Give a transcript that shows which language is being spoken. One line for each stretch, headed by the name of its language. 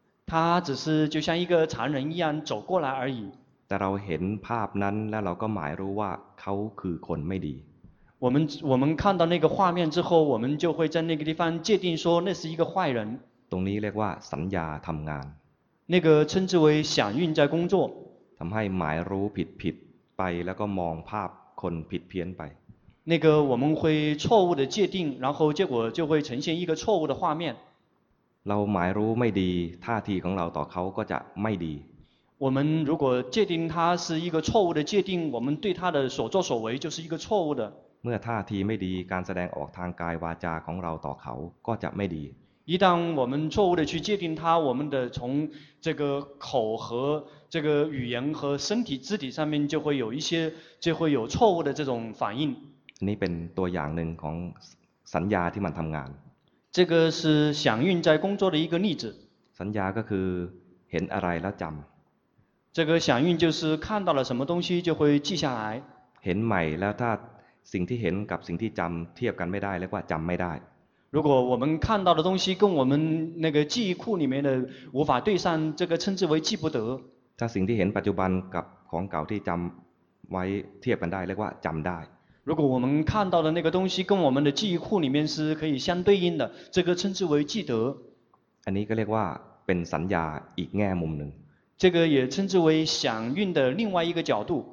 Chinese: 他只是就像一个常人一样走过来而已
Thai: แต่เราเห็นภาพนั้นแล้วเราก็หมายรู้ว่าเขาคือคนไม่ดี
Chinese: 我们看到那个画面之后我们就会在那个地方界定说那是一个坏人
Thai: ตรงนี้เรียกว่าสัญญาทำงาน
Chinese: 那个称之为想运在工作
Thai: ทำให้หมายรู้ผิดไปแล้วก็มองภาพคนผิดเพี้ยนไป
Chinese: 那个我们会错误的界定然后结果就会呈现一个错误的画面
Thai: เราหมายรู้ไม่ดีท่าทีของเราต่อเขาก็จะไม่ดี
Chinese: 我们如果界定他是一个错误的界定我们对他的所作所为就是一个错误的
Thai: เมื่อท่าทีไม่ดีการแสดงออกทางกายวาจาของเราต่อเขาก็จะไม่ดี
Chinese: 一旦我们错误的去界定他我们的从这个口和这个语言和身体肢体上面就会有一些就会有错误的这种反应
Thai: นี่เป็นตัวอย่างหนึ่งของสัญญาที่มันทำงาน
Chinese: 这个是想运在工作的一个例子
Thai: สัญญาก็คือเห็นอะไรแล้วจำ
Chinese: 这个想运就是看到了什么东西就会记下来
Thai: เห็นใหม่แล้วถ้าสิ่งที่เห็นกับสิ่งที่จำเทียบกันไม่ได้เรียกว่าจำไม่ได้
Chinese: 如果我们看到的东西跟我们那个记忆库里面的无法对上这个称之为记不得
Thai: ถ้าสิ่งที่เห็นปัจจุบันกับของเก่าที่จำไว้เทียบกันได้เรียกว่าจำได้
Chinese: 如果我们看到的那个东西跟我们的记忆库里面是可以相对应的，这个称之为记得。
Thai: อันนี้ก็เรียกว่าเป็นสัญญาอีกแง่มุมหนึ่ง。
Chinese: 这个也称之为想运的另外一个角度。